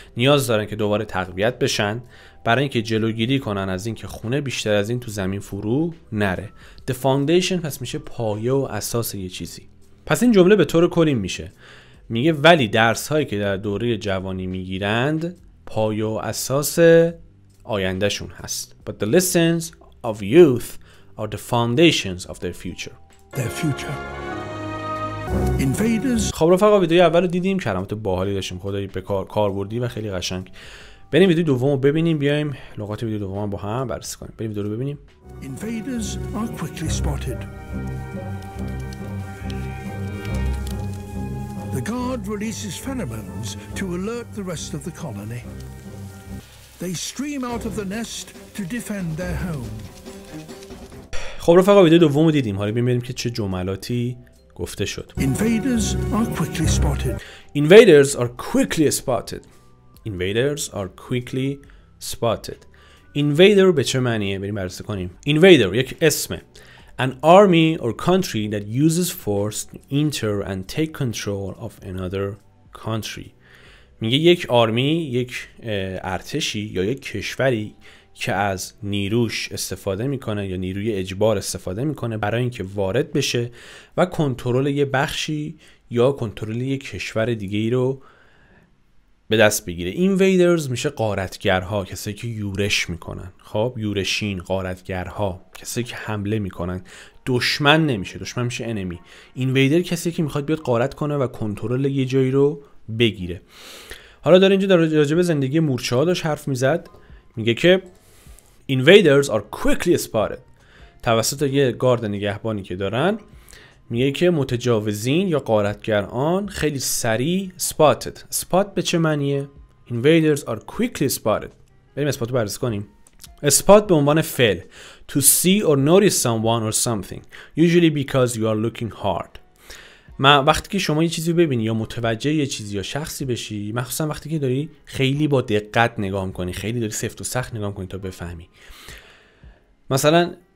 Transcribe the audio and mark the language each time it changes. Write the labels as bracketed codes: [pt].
[fa] نیاز دارن که دوباره تقویت بشن برای اینکه جلوگیری کنن از اینکه خونه بیشتر از این تو زمین فرو نره. [en] The foundation [fa] پس میشه پایه و اساس یه چیزی. پس این جمله به طور کلی میشه، میگه ولی درس هایی که در دوره جوانی میگیرند پایه و اساس آیندهشون هست. [en] But the lessons of youth are the foundations of their future. Their future. Invaders. [fa] خب رفقا ویدیوی اول رو دیدیم، کلمات باحالی داشتیم، خدایی به کار بردی و خیلی قشنگ. بریم ویدیو دوم رو ببینیم، بیایم لغات ویدیو دوم با هم بررسی کنیم. بریم ویدیو رو ببینیم. [en] Invaders are quickly spotted. The guard releases pheromones to alert the rest of the colony. They stream out of the nest to defend their home. [fa] خب رفقا ویدیو دوم رو دیدیم، حالا ببینیم که چه جملاتی گفته شد. [en] Invaders are quickly spotted. Invaders are quickly spotted. Invaders are quickly spotted. [fa] Invader به چه معنیه؟ بریم بررسی کنیم. Invader یک اسمه. [en] An army or country that uses force to enter and take control of another country. [fa] میگه یک آرمی، یک ارتشی یا یک کشوری که از نیروش استفاده میکنه یا نیروی اجبار استفاده میکنه برای اینکه وارد بشه و کنترل یه بخشی یا کنترل یه کشور دیگه رو به دست بگیره. invaders میشه غارتگرها، کسایی که یورش میکنن. خب یورشین، غارتگرها، کسایی که حمله میکنن. دشمن نمیشه، دشمن میشه enemy. invader کسی که میخواد بیاد غارت کنه و کنترل یه جایی رو بگیره. حالا داره اینجا در راجع به زندگی مورچه‌ها داشت حرف میزد. میگه که [en] invaders are quickly spotted. [fa] توسط یه گارد نگهبانی که دارن، میگه که متجاوزین یا غارتگران خیلی سریع spotted. spot به چه معنیه؟ [en] invaders are quickly spotted. [fa] بریم spot رو بررسی کنیم. [en] spot [fa] به عنوان فعل، [en] to see or notice someone or something, usually because you are looking hard. [fa] ما وقتی که شما یه چیزی ببینی یا متوجه یه چیزی یا شخصی بشی، مخصوصا وقتی که داری خیلی با دقت نگاه می‌کنی، خیلی داری سفت و سخت نگاه می‌کنی تا بفهمی. مثلا